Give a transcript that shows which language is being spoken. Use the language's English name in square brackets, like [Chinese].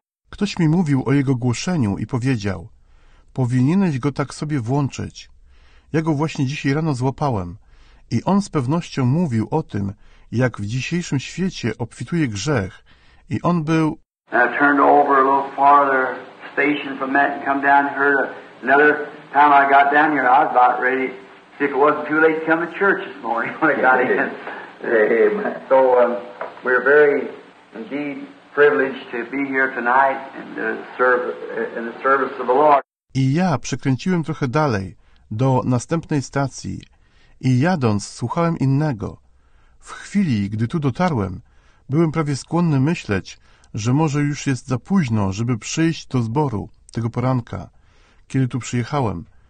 [Polish] Ktoś mi mówił o jego głoszeniu i powiedział, powinieneś go tak sobie włączyć. Ja go właśnie dzisiaj rano złapałem i on z pewnością mówił o tym, jak w dzisiejszym świecie obfituje grzech i on był... [English] I turned over a little farther station from that and come down here. Another time I got down here, I was about ready, see if it wasn't too late to come to church this morning when I got in. Amen. So we're very indeed privileged to be here tonight and serve in the service of the Lord. [Polish] I ja przekręciłem trochę dalej, do następnej stacji i jadąc słuchałem innego. W chwili, gdy tu dotarłem, byłem prawie skłonny myśleć, że może już jest za późno, żeby przyjść do zboru tego poranka, kiedy tu przyjechałem.